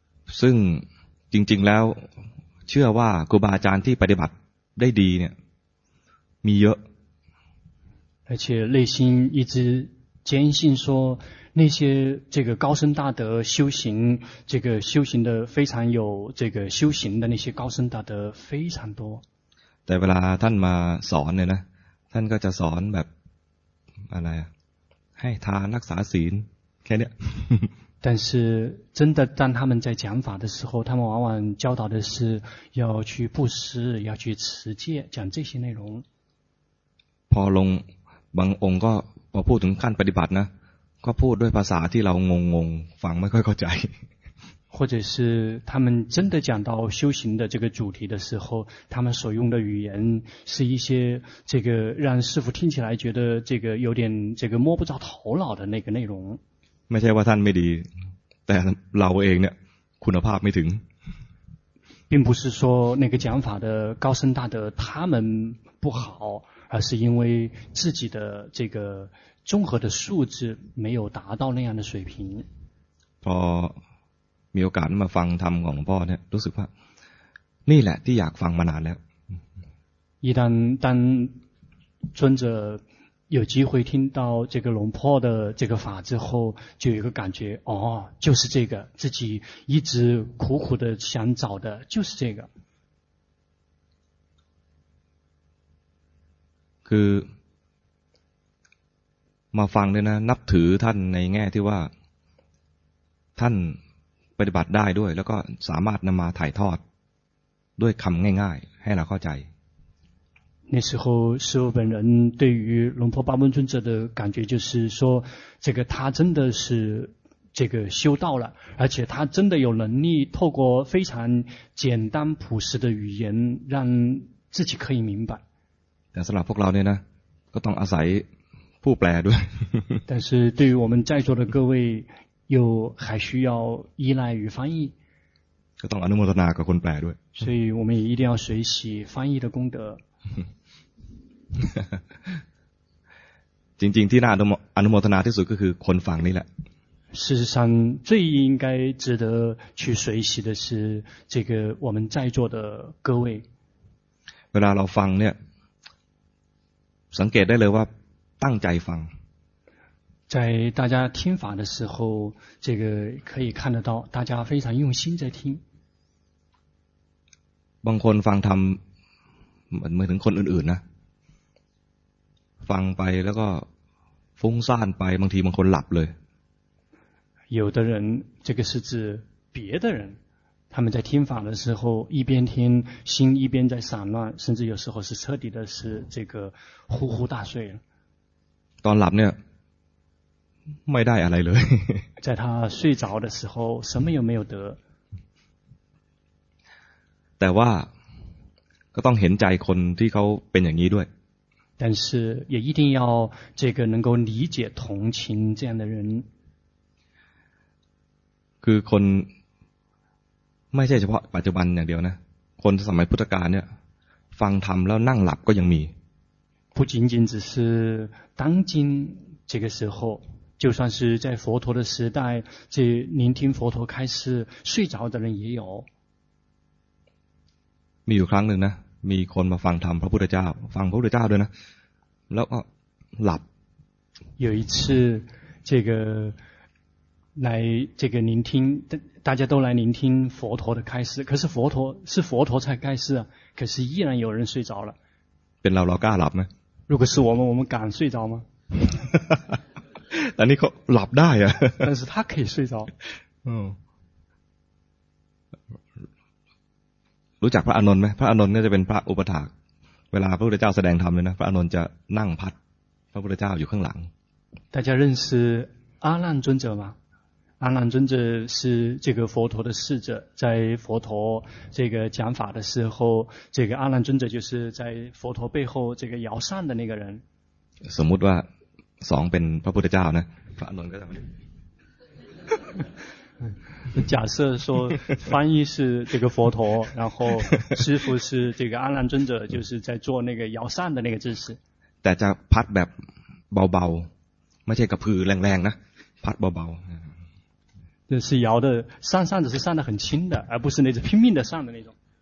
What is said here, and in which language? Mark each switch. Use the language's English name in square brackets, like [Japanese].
[Thai] ซึ่งจริงๆแล้วเชื่อว่าครูบาอาจารย์ที่ปฏิบัติได้ดีเนี่ยมีเยอะ [Chinese] 而且内心一直坚信说那些这个高僧大德修行，这个修行的非常有这个修行的那些高僧大德非常多。 [Thai] แต่เวลาท่านมาสอนเนี่ยนะท่านก็จะสอนแบบอะไรให้ทานรักษาศีลแค่เนี้ย [Chinese] 但是真的当他们在讲法的时候他们往往教导的是要去布施要去持戒讲这些内容 [Thai] พอลงบางองค์ก็พอพูดถึงขั้นปฏิบัตินะก็พูดด้วยภาษาที่เรางงงฟังไม่ค่อยเข้าใจ [Chinese] 或者是他们真的讲到修行的这个主题的时候他们所用的语言是一些这个让师父听起来觉得这个有点这个摸不着头脑的那个内容 [Thai] ไม่ใช่ว่าท่านไม่ดีแต่เราเองเนี่ยคุณภาพไม่ถึง [Chinese] 并不是说那个讲法的高僧大德他们不好而是因为自己的这个综合的素质没有达到那样的水平 [Thai] พอมีโอกาสมาฟังธรรมของหลวงพ่อเนี่ยรู้สึกว่านี่แหละที่อยากฟังมานานแล้ว [Chinese] 一旦当尊者有机会听到这个龙破的这个法之后就有一个感觉哦就是这个自己一直苦苦的想找的就是这个 [Thai] คือมาฟังเนี่ยนะนับถือท่านในแง่ที่ว่าท่านปฏิบัติได้ด้วยแล้วก็สามารถนำมาถ่ายทอดด้วยคำง่ายๆให้เราเข้าใจ [Chinese] 那时候师父本人对于龙婆八门尊者的感觉就是说这个他真的是这个修道了而且他真的有能力透过非常简单朴实的语言让自己可以明白但是 [Thai] พวกเราเนี่ยนะก็ต้องอาศัยผู้แปลด้วย [Chinese] 但是对于我们在座的各位又还需要依赖于翻译 [Thai] ก็ต้องอนุโมทนากับคนแปลด้วย [Chinese] 所以我们也一定要随喜翻译的功德 [Thai] จริงๆที่น่าอนุโมทนาที่สุดก็คือคนฟังนี่แหละ [Chinese] 事实上最应该值得去随喜的是这个我们在座的各位 [Thai] เวลาเราฟังเนี่ยสังเกตได้เลยว่าตั้งใจฟัง [Chinese] 在大家听法的时候这个可以看得到大家非常用心在听 [Thai] บางคนฟังธรรมมันเหมือนถึงคนอื่นๆนะฟังไปแล้วก็ฟุ้งซ่านไปบางทีบางคนหลับเลย [Chinese] 有的人这个是指别的人他们在听法的时候一边听心一边在散乱甚至有时候是彻底的是这个呼呼大睡 [Thai] ตอนหลับเนี่ยไม่ได้อะไรเลย [Chinese] 在他睡着的时候什么也没有得 [Thai] แต่ว่าก็ต้องเห็นใจคนที่เขาเป็นอย่างนี้ด้วย [Chinese] 但是也一定要这个能够理解同情这样的人 [Thai] คือคนไม่ใช่เฉพาะปัจจุบันอย่างเดียวนะคนสมัยพุทธกาลเนี่ยฟังธรรมแล้วนั่งหลับก็ยังมี [Chinese] 不仅仅只是当今这个时候就算是在佛陀的时代这聆听佛陀开示睡着的人也有 [Thai] มีอยู่ครั้งหนึ่งนะมีคนมาฟังธรรมพระพุทธเจ้าฟังพระพุทธเจ้าด้วยนะแล้วก็หลับ [Chinese] 有一次这个来这个聆听大家都来聆听佛陀的开示可是佛陀是佛陀才开示可是依然有人睡着了 [Thai] เป็นเราเรากล้าหลับไหม [Chinese] 如果是我们敢睡着吗 [Thai] แต่นี่เขาหลับได้อะ [Chinese] 但是他可以睡着 [Thai] รู้จักพระอนนท์ไหมพระอนนท์เนี่ยจะเป็นพระอุปถากเวลาพระพุทธเจ้าแสดงธรรมเลยนะพระอนนท์จะนั่งพัดพระพุทธเจ้าอยู่ข้างหลัง [Chinese] 大家认识阿难尊者吗阿难尊者是这个佛陀的侍者在佛陀这个讲法的时候这个阿难尊者就是在佛陀背后这个摇扇的那个人 [Thai] สมมติว่าสองเป็นพระพุทธเจ้านะพระอนนท์ก็จะ [Chinese] 假设说翻译是这个佛陀然后师父是这个阿难尊者就是在做那个摇扇的那个姿势 [Thai] แต่จะพัดแบบเบาๆไม่ใช่กระพือแรงๆนะพัดเบา [Chinese] ๆ这是摇的扇子是扇的很轻的而不是那种拼命的扇的那种